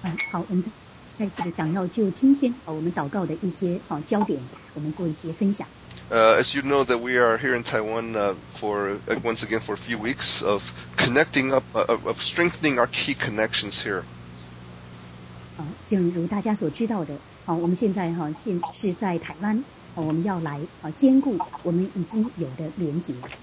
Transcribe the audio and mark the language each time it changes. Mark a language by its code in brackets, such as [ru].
[zh] 好，我们再次的想要就今天我们祷告的一些焦点，我们做一些分享。 [en] As you know that we are here in Taiwan for a few weeks of connecting up of strengthening our key connections here. [zh] 正如大家所知道的，我们现在是在台湾，我们要来兼顾我们已经有的连结。